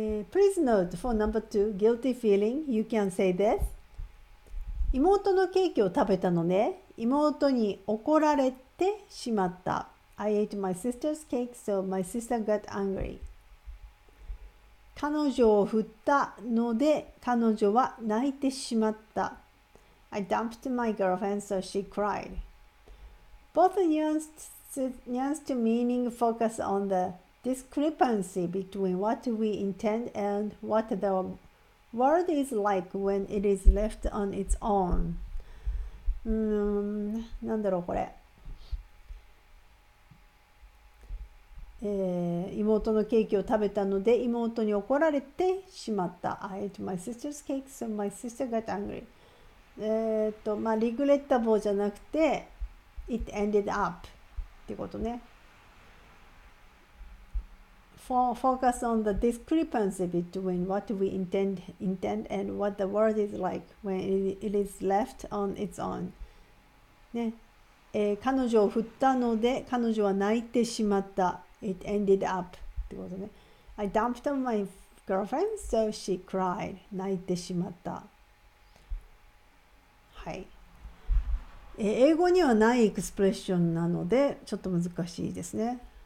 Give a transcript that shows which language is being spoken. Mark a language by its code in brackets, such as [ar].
[en] Please note for number two, guilty feeling, you can say this. [ja] 妹のケーキを食べたのね。妹に怒られてしまった。 [en] I ate my sister's cake, so my sister got angry. [ja] 彼女を振ったので彼女は泣いてしまった。 [en] I dumped my girlfriend so she cried. Both nuanced meaning focus on the discrepancy between what we intend and what the world is like when it is left on its own. [ja] なんだろうこれ。妹のケーキを食べたので妹に怒られてしまった。 [en] I ate my sister's cake, so my sister got angry. まあ、regrettable [ja] じゃなくて、 [en] it ended up [ja] ってことね。 [en] Focus on the discrepancy between what we intend and what the world is like when it is left on its own. [ja] ね、彼女を振ったので彼女は泣いてしまった。 [en] It ended up. [ja] ってことね。 [en] I dumped my girlfriend, so she cried. [ja] 泣いてしまった。はい。英語にはないエクスプレッションなので、ちょっと難しいですね。